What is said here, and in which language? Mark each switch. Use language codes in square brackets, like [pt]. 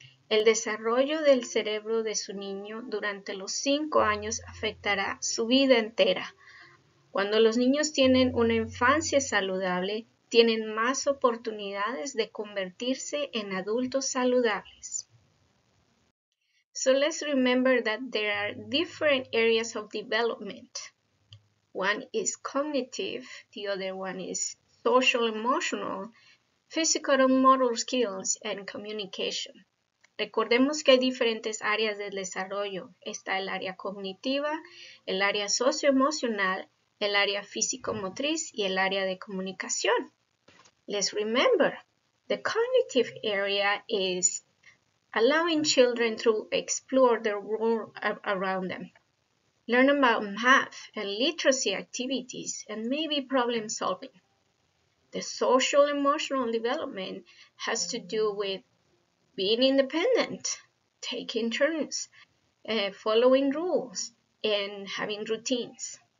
[es] El desarrollo del cerebro de su niño durante los 5 años afectará su vida entera. Cuando los niños tienen una infancia saludable, tienen más oportunidades de convertirse en adultos saludables. [en] So let's remember that there are different areas of development. One is cognitive, the other one is social-emotional, physical-motor skills, and communication. [es] Recordemos que hay diferentes áreas del desarrollo. Está el área cognitiva, el área socioemocional, el área físico-motriz y el área de comunicación. [en] Let's remember, the cognitive area is allowing children to explore their world around them. Learn about math and literacy activities and maybe problem solving. The social emotional development has to do with being independent, taking turns, following rules, and having routines.